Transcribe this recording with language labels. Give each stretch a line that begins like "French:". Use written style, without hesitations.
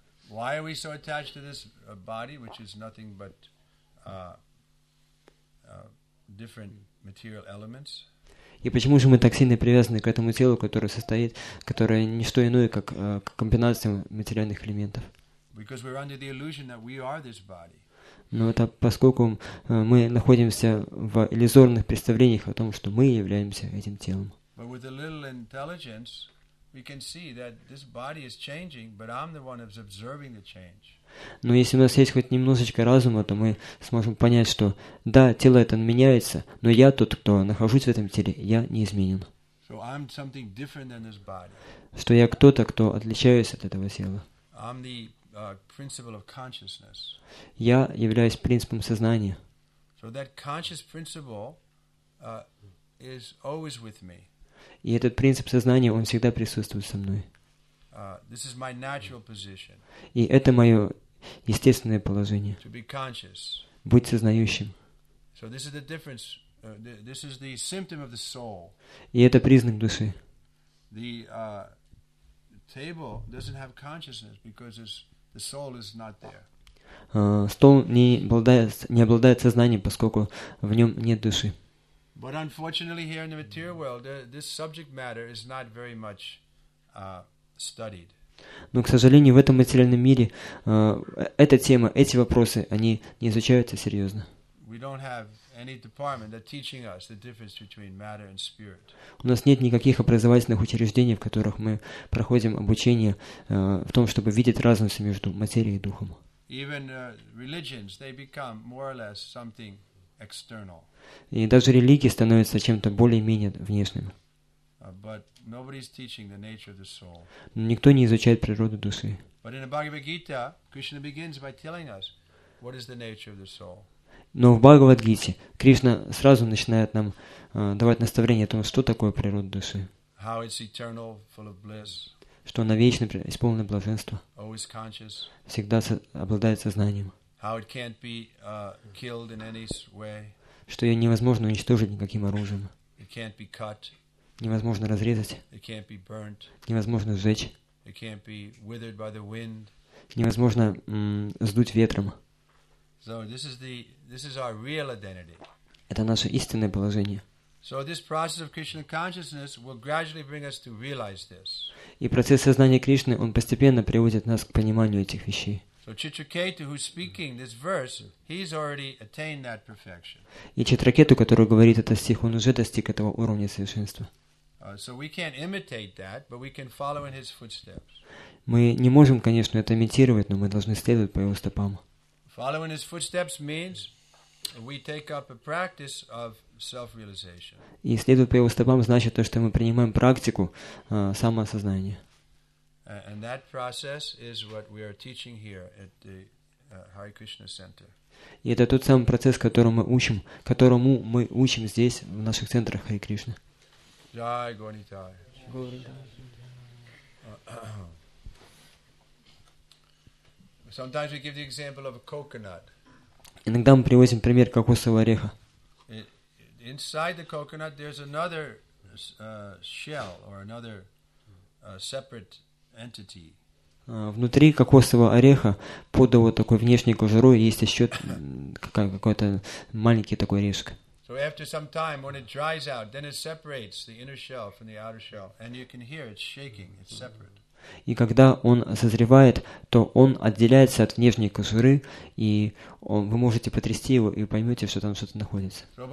English: Why are we so attached to this body, which is nothing but different material elements?
Russian: И почему же мы так сильно привязаны к этому телу, которое состоит, которое не что иное, как к комбинациям материальных элементов?
English: Because we're under the illusion that we are this body.
Russian: Но это поскольку мы находимся в иллюзорных представлениях о том, что мы являемся этим телом.
English: But with a little intelligence, we can see that this body is changing, but I'm the one who's observing the change.
Russian: Но если у нас есть хоть немножечко разума, то мы сможем понять, что да, тело это меняется, но я тот, кто нахожусь в этом теле, я не изменен.
English: So I'm something different than this body.
Russian: Что я кто-то, кто отличаюсь от этого тела.
English: I'm the, principle of consciousness.
Russian: Я являюсь принципом сознания.
English: So that conscious principle, is always with me.
Russian: И этот принцип сознания, он всегда присутствует со мной.
English: This is my natural position.
Russian: И это мое естественное положение.
English: To be conscious.
Russian: Быть сознающим.
English: So this is the difference. This is the symptom of the soul.
Russian: И это признак души.
English: The table doesn't have consciousness because the soul is not there.
Russian: Стол не обладает сознанием, поскольку в нем нет души.
English: But unfortunately, here in the material world, this subject matter is not very much. Studied.
Russian: Но, к сожалению, в этом материальном мире эта тема, эти вопросы, они не изучаются серьезно.
English: We don't have any department that teaching us the difference between matter and spirit.
Russian: У нас нет никаких образовательных учреждений, в которых мы проходим обучение в том, чтобы видеть разницу между материей и духом.
English: Even religions, they become more or less something external.
Russian: И даже религии становятся чем-то более-менее внешним.
English: But nobody's teaching the nature of the soul.
Russian: Никто не изучает природу души.
English: But in the Bhagavad Gita, Krishna begins by telling us what is the nature of the soul.
Russian: Но в Бхагавад-гите Кришна сразу начинает нам давать наставление о том, что такое природа души.
English: How it's eternal, full of bliss.
Russian: Что она вечно исполнена блаженства.
English: Always conscious.
Russian: Всегда обладает сознанием.
English: How it can't be killed in any way.
Russian: Что ее невозможно уничтожить никаким оружием.
English: It can't be cut.
Russian: Невозможно разрезать.
English: It can't be burnt.
Russian: Невозможно сжечь.
English: It can't be withered by the wind.
Russian: Невозможно сдуть ветром.
English: So this is our real identity.
Russian: Это наше истинное положение.
English: So this process of Krishna consciousness will gradually bring us to realize this.
Russian: И процесс сознания Кришны, он постепенно приводит нас к пониманию этих вещей.
English: So Chitraketu, who's speaking this verse, he's already attained that perfection.
Russian: И Читракету, который говорит этот стих, он уже достиг этого уровня совершенства.
English: So we can't imitate that, but we can follow in his footsteps.
Russian: Мы не можем, конечно, это имитировать, но мы должны следовать по его стопам.
English: Following his footsteps means we take up a practice of self-realization.
Russian: И следовать по его стопам значит то, что мы принимаем практику самоосознания.
English: And that process is what we are teaching here at the Hare Krishna Center.
Russian: И это тот самый процесс, которому мы учим здесь в наших центрах Хари Кришны.
Sanskrit: Jai Gaurinitai.
English: Sometimes we give the example of a coconut.
Russian: Иногда мы приводим пример кокосового ореха.
English: Inside the coconut there's another shell or another separate entity.
Russian: Внутри кокосового ореха под вот такой внешней кожурой есть еще какой-то маленький такой орешек.
English: So after some time when it dries out then it separates the inner shell from the outer shell and you can hear it shaking, it's separate.
Russian: И когда он созревает, то он отделяется от внешней кожуры, и вы можете потрясти его, и поймете, что там что-то находится.